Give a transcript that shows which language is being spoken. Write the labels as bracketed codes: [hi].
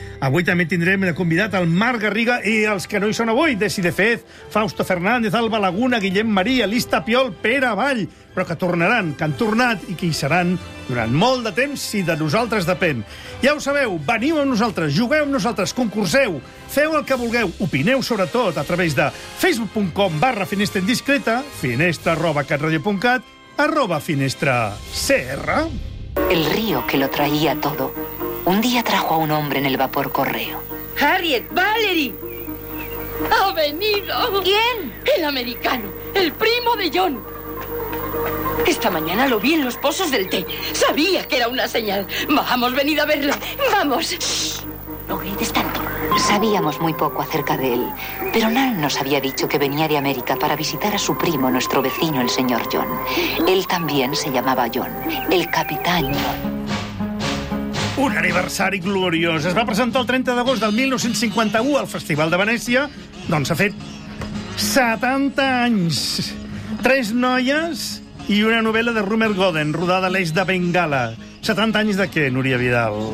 [ca] Avui també tindrem de convidat el Marc Garriga i els que no hi són avui, Desi de Fez, Fausto Fernández, Alba Laguna, Guillem Maria, Lis Tapiol, Pere Vall, però que tornaran, que han tornat i que hi seran durant molt de temps si de nosaltres depèn. Ja ho sabeu, veniu amb nosaltres, jugueu amb nosaltres, concurseu, feu el que vulgueu, opineu sobretot a través de facebook.com/finestraindiscreta, finestra@catradio.cat, @finestracr. [es] El río que lo traía todo, un día trajo a un hombre en el vapor correo. Harriet, Valerie, ha venido. ¿Quién? El americano, el primo de John. Esta mañana lo vi en los pozos del té. Sabía que era una señal. Vamos, venid a verlo. Vamos. No grites tanto. Sabíamos muy poco acerca de él, pero Nan nos había dicho que venía de América para visitar a su primo, nuestro vecino, el señor John. Él también se llamaba John, el capitán. [ca] Un aniversari gloriós. Es va presentar el 30 d'agost del 1951 al Festival de Venècia. Doncs ha fet 70 anys. Tres noies i una novel·la de Rumer Goden, rodada a l'eix de Bengala. 70 anys de què, Núria Vidal?